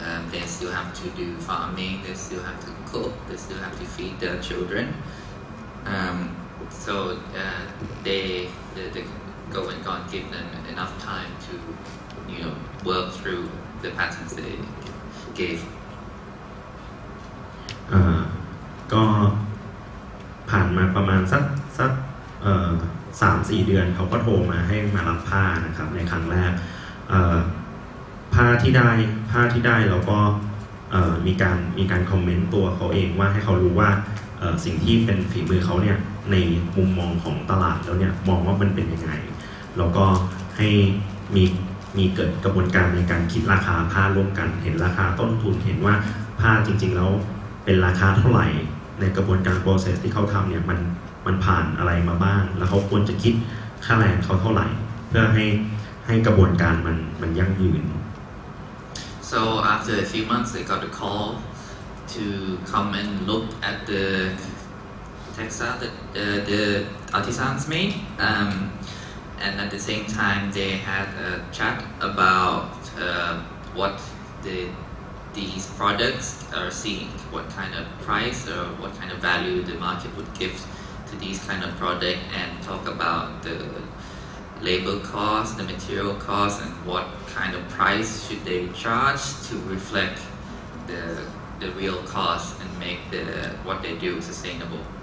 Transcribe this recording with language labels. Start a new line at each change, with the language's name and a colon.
English: They still have to do farming. They still have to cook. They still have to feed their children. So they the GoWentGone give them enough time to, you know, work through the patterns they gave.
Thai: ก็ผ่านมาประมาณสัก3-4 เดือนเขาก็โทรมาให้มารับผ้านะครับในครั้งแรกผ้าที่ได้เราก็มีการคอมเมนต์ตัวเขาเองว่าให้เขารู้ว่าสิ่งที่เป็นฝีมือเขาเนี่ยในมุมมองของตลาดแล้วเนี่ยมองว่ามันเป็นยังไงแล้วก็ให้ มีเกิดกระบวนการในการคิดราคาผ้าร่วมกันเห็นราคาต้นทุนเห็นว่าผ้าจริงๆแล้วเป็นราคาเท่าไหร่ในกระบวนการ process ที่เขาทำเนี่ยมันผ่านอะไรมาบ้างแล้วเขาควรจะคิดค่าแรงเขาเท่าไหร่เพื่อให้กระบวนการมันยั่งยืน
English: So after a few months they got a call to come and look at the textile that the artisans made and at the same time they had a chat about what these products are seeing, what kind of price or what kind of value the market would give to these kind of product and talk about the labor cost, the material cost and what kind of price should they charge to reflect the real cost and make the what they do sustainable